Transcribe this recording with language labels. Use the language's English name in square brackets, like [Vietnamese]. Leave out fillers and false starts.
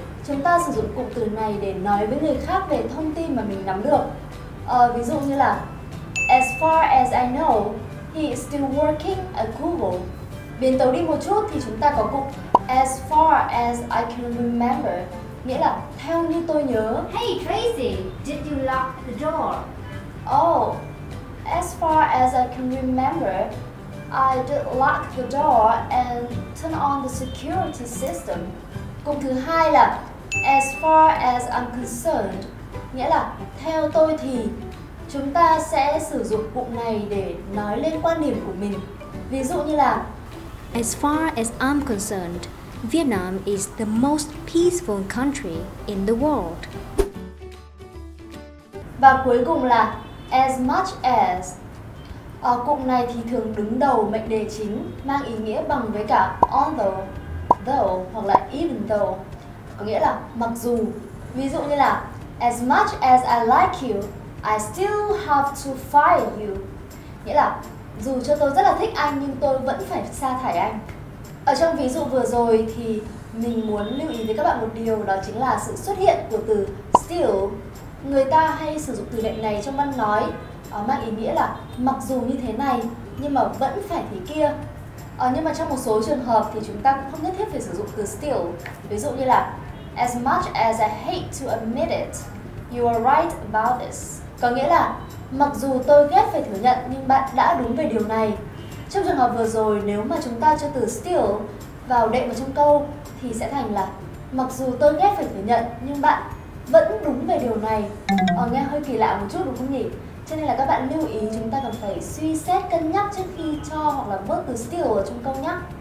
[Vietnamese] Chúng ta sử dụng cụm từ này để nói với người khác về thông tin mà mình nắm được. Ví dụ như là [English] as far as I know, he is still working at Google. [Vietnamese] Biến tấu đi một chút thì chúng ta có cụm as far as I can remember, nghĩa là theo như tôi nhớ. [English] Hey Tracy, did you lock the door? Oh, as far as I can remember, I did lock the door and turn on the security system. [Vietnamese] Cụm thứ hai là as far as I'm concerned, nghĩa là theo tôi thì. Chúng ta sẽ sử dụng cụm này để nói lên quan điểm của mình. Ví dụ như là [English] as far as I'm concerned, Vietnam is the most peaceful country in the world. [Vietnamese] Và cuối cùng là as much as. Cụm này thì thường đứng đầu mệnh đề chính, mang ý nghĩa bằng với cả although, though hoặc là even though, có nghĩa là mặc dù. Ví dụ như là [English] as much as I like you, I still have to fire you. [Vietnamese] Nghĩa là dù cho tôi rất là thích anh nhưng tôi vẫn phải sa thải anh. Ở trong ví dụ vừa rồi thì mình muốn lưu ý với các bạn một điều, đó chính là sự xuất hiện của từ still. Người ta hay sử dụng từ này trong văn nói, mang ý nghĩa là mặc dù như thế này nhưng mà vẫn phải thế kia. Nhưng mà trong một số trường hợp thì chúng ta cũng không nhất thiết phải sử dụng từ still. Ví dụ như là [English] as much as I hate to admit it, you are right about this. [Vietnamese] Có nghĩa là mặc dù tôi ghét phải thừa nhận nhưng bạn đã đúng về điều này. Trong trường hợp vừa rồi, nếu mà chúng ta cho từ still vào đệm vào trong câu thì sẽ thành là mặc dù tôi ghét phải thừa nhận nhưng bạn vẫn đúng về điều này. Nghe hơi kỳ lạ một chút đúng không nhỉ? Cho nên là các bạn lưu ý chúng ta cần phải suy xét cân nhắc trước khi cho hoặc là vớt từ still ở trong câu nhé.